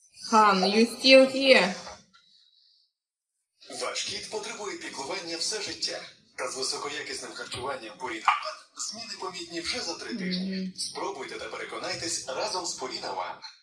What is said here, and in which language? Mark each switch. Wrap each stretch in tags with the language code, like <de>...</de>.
<en>Хан, you still here?</en> <uk>Ваш кіт потребує піклування все життя. Та з високоякісним харчуванням Purina One зміни помітні вже за 3 тижні. Спробуйте та переконайтесь разом з Purina One.</uk>